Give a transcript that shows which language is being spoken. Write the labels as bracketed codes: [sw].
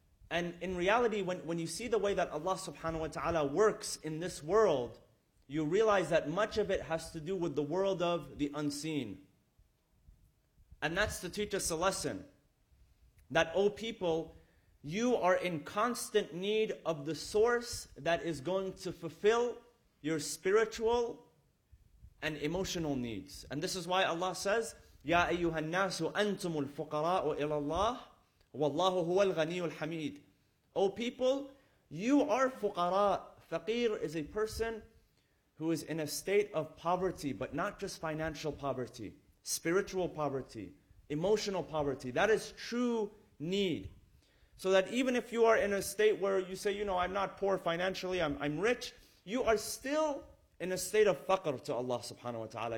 [en] And in reality, when you see the way that Allah subhanahu wa ta'ala works in this world, you realize that much of it has to do with the world of the unseen. And that's to teach us a lesson. That, O people, you are in constant need of the source that is going to fulfill your spiritual and emotional needs. And this is why Allah says, [ar] يَا أَيُّهَا النَّاسُ أَنْتُمُ الْفُقَرَاءُ إِلَى اللَّهِ وَاللَّهُ هُوَ الْغَنِيُّ الْحَمِيدُ. [en] O people, you are fuqara. Faqir is a person who is in a state of poverty, but not just financial poverty, spiritual poverty, emotional poverty. That is true need. So that even if you are in a state where you say, you know, I'm not poor financially, I'm rich, you are still in a state of faqr to Allah subhanahu wa ta'ala.